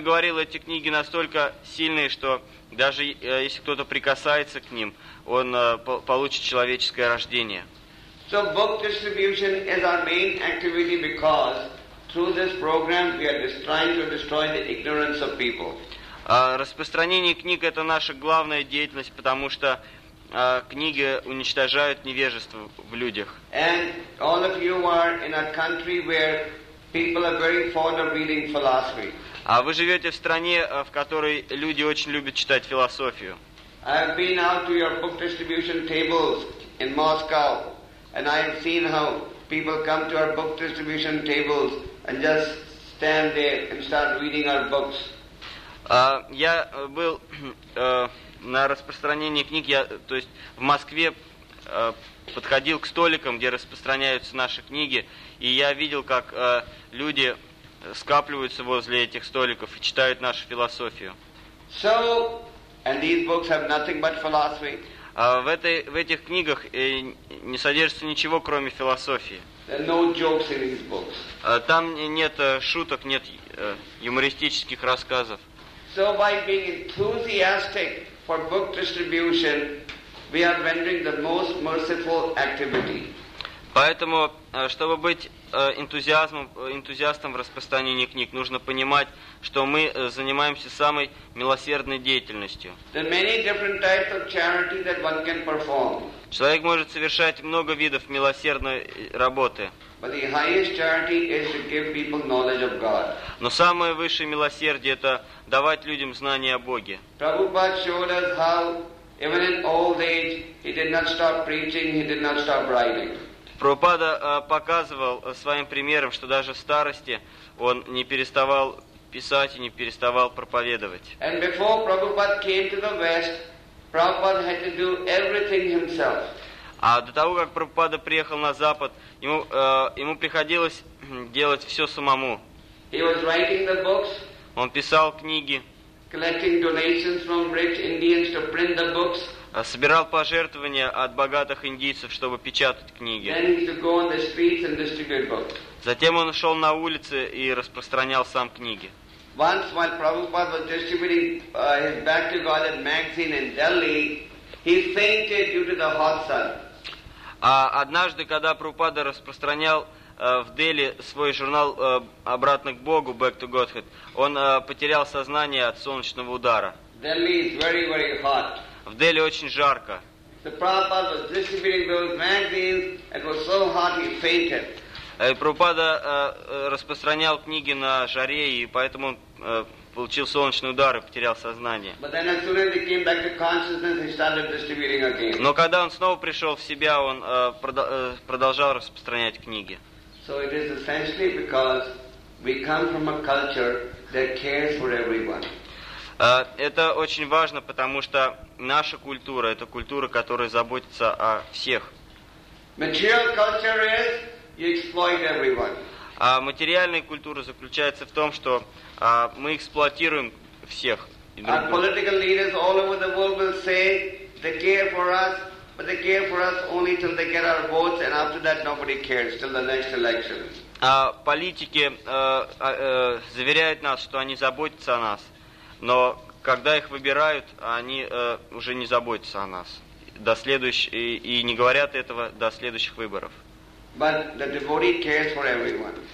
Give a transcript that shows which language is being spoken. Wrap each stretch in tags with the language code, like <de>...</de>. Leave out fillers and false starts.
<ru>говорил, эти книги настолько сильные, что даже если кто-то прикасается к ним, он получит человеческое рождение.</ru> <en>So book distribution is our main activity because through this program we are trying to destroy the ignorance of people.</en> <ru>Распространение книг – это наша главная деятельность, потому что книги уничтожают невежество в людях.</ru> <en>And all of you are in a country where people are very fond of reading philosophy.</en> <ru>А вы живете в стране, в которой люди очень любят читать философию.</ru> <en>I have been out to your book distribution tables in Moscow, and I have seen how people come to our book distribution tables and just stand there and start reading our books.</en> <ru>Я был на распространении книг, то есть в Москве подходил к столикам, где распространяются наши книги, и я видел, как люди скапливаются возле этих столиков и читают нашу философию.</ru> <en>So, and these books have nothing but philosophy.</en> <ru>В этих книгах не содержится ничего, кроме философии.</ru> <en>There are no jokes in these books.</en> <ru>Там нет шуток, нет юмористических рассказов.</ru> <en>So by being enthusiastic for book distribution, we are rendering the most merciful activity.</en> <ru>Поэтому, чтобы быть энтузиастом в распространении книг, нужно понимать, что мы занимаемся самой милосердной деятельностью.</ru> <en>There are many different types of charity that one can perform.</en> <ru>Человек может совершать много видов милосердной работы.</ru> <en>But the highest charity is to give people knowledge of God.</en> <ru>Но самое высшее милосердие – это давать людям знания о Боге.</ru> <en>Prabhupada showed us how, even in old age, he did not stop preaching, he did not stop writing.</en> <ru>Прабхупада показывал своим примером, что даже в старости он не переставал писать и не переставал проповедовать.</ru> <en>And before Prabhupada came to the West, Prabhupada had to do everything himself.</en> <ru>А до того, как Прабхупада приехал на Запад, ему приходилось делать все самому.</ru> <en>He was writing the books,</en> <ru>он писал книги,</ru> <en>collecting donations from rich Indians to print the books,</en> <ru>собирал пожертвования от богатых индийцев, чтобы печатать книги.</ru> <en>Then he would go on the streets and distribute books.</en> <ru>Затем он шел на улицы и распространял сам книги.</ru> <en>Once, while Prabhupada was distributing his Back to Godhead magazine in Delhi, he fainted due to the hot sun.</en> <ru>Однажды, когда Прабхупада распространял в Дели свой журнал «Обратно к Богу», «Back to Godhead», он потерял сознание от солнечного удара.</ru> <en>Delhi is very, very hot.</en> <ru>В Дели очень жарко. Прабхупада распространял книги на жаре, и поэтому он получил солнечный удар и потерял сознание. Но когда он снова пришел в себя, он продолжал распространять книги.</ru> <en>So it is essentially because we come from a culture that cares for everyone.</en> <ru>Это очень важно, потому что наша культура — это культура, которая заботится о всех.</ru> <en>Material culture is you exploit everyone.</en> <ru>А материальная культура заключается в том, что мы эксплуатируем всех.</ru> <en>Our political leaders all over the world will say they care for us, but they care for us only till they get our votes, and after that nobody cares till the next election.</en> <ru>Политики заверяют нас, что они заботятся о нас, но когда их выбирают, они уже не заботятся о нас до следующих и не говорят этого до следующих выборов.</ru> <en>But the devotee cares for everyone.</en>